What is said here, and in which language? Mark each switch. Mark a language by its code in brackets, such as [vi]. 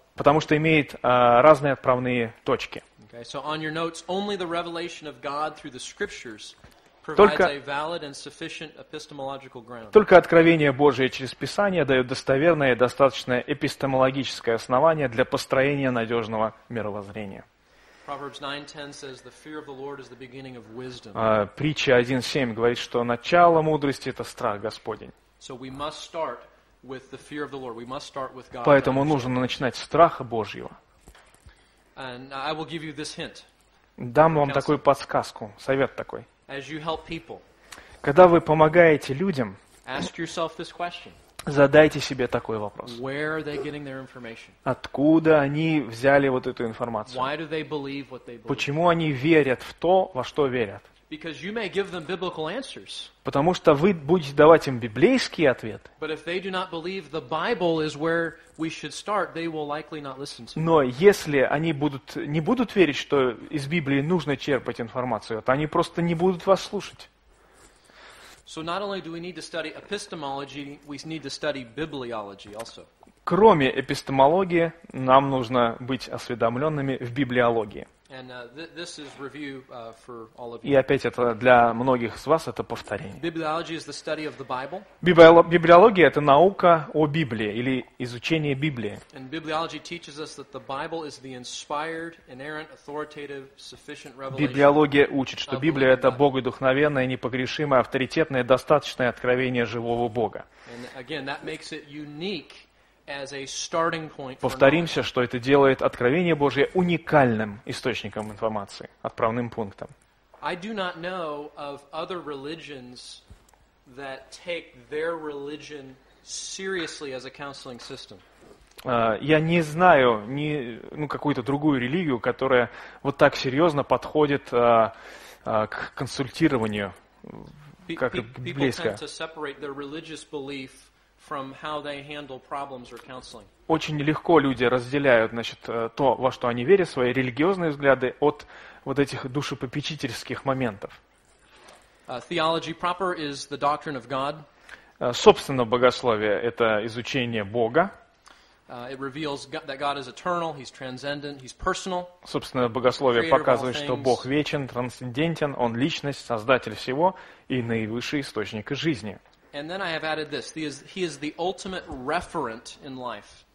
[ru] Потому что имеет разные отправные точки. [en] Okay, so on your notes, only the revelation of God through the scriptures provides a valid and sufficient epistemological ground. [ru] Только откровение Божие через Писание дает достоверное и достаточное эпистемологическое основание для построения надежного мировоззрения. [en] Proverbs 9:10 says the fear of the Lord is the beginning of wisdom. [ru] Притча 1:7 говорит, что начало мудрости — это страх Господень. [en] So we must start with the fear of the Lord. We must start with God. [ru] Поэтому нужно начинать с страха Божьего. [en] And I will give you this hint. [ru] Дам вам такую подсказку, совет такой. [en] As you help people. [ru] Когда вы помогаете людям, [en] ask yourself this question. [ru] Задайте себе такой вопрос. [en] Where are they getting their information? [ru] Откуда они взяли вот эту информацию? [en] Why do they believe what they believe? [ru] Почему они верят в то, во что верят? [en] Because you may give them biblical answers. [ru] Потому что вы будете давать им библейские ответы. [en] But if they do not believe the Bible is where we should start, they will likely not listen to you. [ru] Но если они не будут верить, что из Библии нужно черпать информацию, то они просто не будут вас слушать. [en] So not only do we need to study epistemology, we need to study bibliology also. [ru] Кроме эпистемологии, нам нужно быть осведомленными в библиологии. [en] And this is review for all of you. [ru] И опять это для многих из вас это повторение. [en] Bibliology is the study of the Bible. [ru] Библиология — это наука о Библии или изучение Библии. [en] And bibliology teaches us that the Bible is the inspired, inerrant, authoritative, sufficient revelation. [ru] Библиология учит, что Библия — это богодухновенное, непогрешимое, авторитетное, достаточное откровение живого Бога. [en] And again, that makes it unique. As a starting point for [ru] повторимся, что это делает Откровение Божие уникальным источником информации, отправным пунктом. [en] I do not know of other religions that take their religion seriously as a counseling system. [ru] Я не знаю какую-то другую религию, которая вот так серьезно подходит к консультированию, как библейское. [en] People tend to separate their religious belief from how they handle problems or counseling. [ru] Очень легко люди разделяют, значит, то, во что они верят, свои религиозные взгляды от вот этих душепопечительских моментов. [en] Theology proper is the doctrine of God. [ru] Собственно, богословие — это изучение Бога. [en] It reveals that God is eternal, he's transcendent, he's personal. [ru] Собственно, богословие показывает, что Бог вечен, трансцендентен, он личность, создатель всего и наивысший источник жизни. [en] And then I have added this, he is the ultimate referent in life.